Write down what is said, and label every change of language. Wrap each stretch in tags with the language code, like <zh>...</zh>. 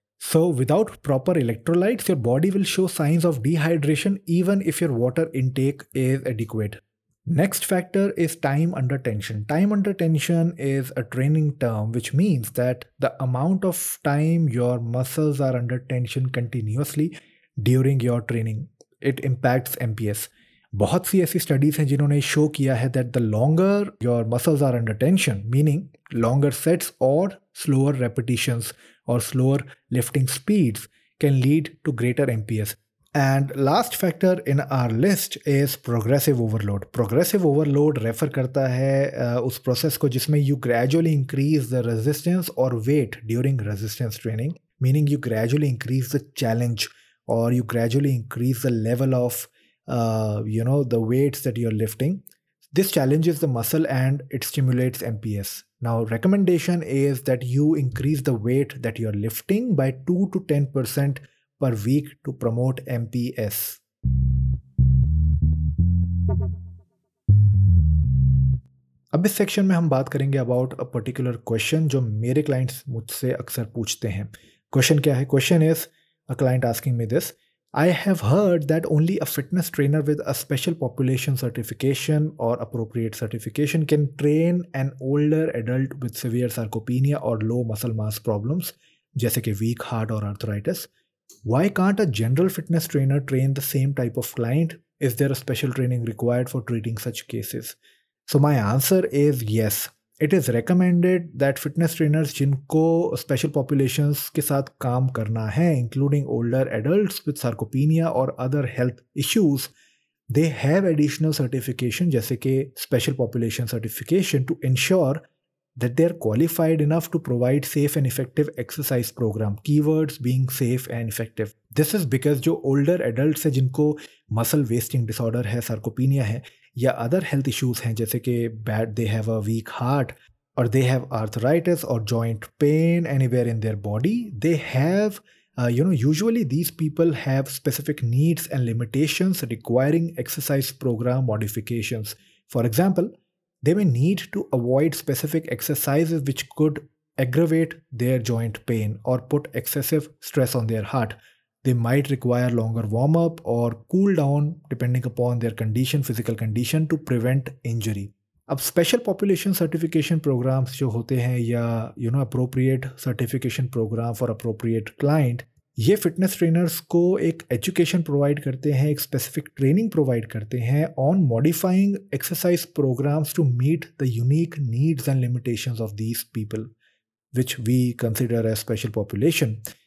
<en>So without proper electrolytes, your body will show signs of dehydration even if your water intake is adequate. Next factor is time under tension. Time under tension is a training term which means that the amount of time your muscles are under tension continuously during your training, it impacts MPS.</en> <hi>बहुत सी ऐसी</hi> <en>studies</en> <hi>हैं जिन्होंने</hi> <en>show</en> <hi>किया है</hi> <en>That the longer your muscles are under tension meaning longer sets और slower repetitions और slower lifting speeds can lead to greater MPS. And last factor in our list is progressive overload. Progressive overload refer</en> <hi>करता है उस</hi> <en>process</en> <hi>को जिसमें</hi> <en>You gradually increase the resistance और weight during resistance training, meaning you gradually increase the challenge और you gradually increase the level of the weights that you're lifting. This challenges the muscle and it stimulates MPS. Now, recommendation is that you increase the weight that you're lifting by 2 to 10% per week to promote MPS.</en> <hi>अब इस section में हम बात करेंगे</hi> <en>about a particular question</en> <hi>जो मेरे clients मुझसे अक्सर पूछते हैं. क्वेश्चन क्या है?</hi> <en>Question is a client asking me this. I have heard that only a fitness trainer with a special population certification or appropriate certification can train an older adult with severe sarcopenia or low muscle mass problems,</en> <hi>jaise ki</hi> <en>weak heart or arthritis. Why can't a general fitness trainer train the same type of client? Is there a special training required for treating such cases? So my answer is yes. It is recommended that fitness trainers</en> <hi>जिनको</hi> <en>special populations</en> <hi>के साथ काम करना है,</hi> <en>including older adults with sarcopenia or other health issues, they have additional certification,</en> <hi>जैसे कि</hi> <en>special population certification, to ensure that they are qualified enough to provide safe and effective exercise program. Keywords being safe and effective. This is because</en> <hi>जो</hi> <en>older adults</en> <hi>है जिनको</hi> <en>muscle wasting disorder</en> <hi>है, sarcopenia है, या</hi> <en>other health issues</en> <hi>हैं जैसे कि</hi> <en>Bad they have a weak heart और they have arthritis और joint pain anywhere in their body, they have you know usually these people have specific needs and limitations requiring exercise program modifications. For example, they may need to avoid specific exercises which could aggravate their joint pain और put excessive stress on their heart. They might require longer warm-up or cool-down depending upon their condition, physical condition, to prevent injury.</en> <hi>Ab</hi> <en>special population certification programs</en> <hi>jo hote hain ya,</hi> <en>you know, appropriate certification program for appropriate client,</en> <hi>ye</hi> <en>fitness trainers</en> <hi>ko ek</hi> <en>education provide</en> <hi>karte hain, ek</hi> <en>specific training provide</en> <hi>karte hain</hi> <en>on modifying exercise programs to meet the unique needs and limitations of these people, which we consider as special population.</en>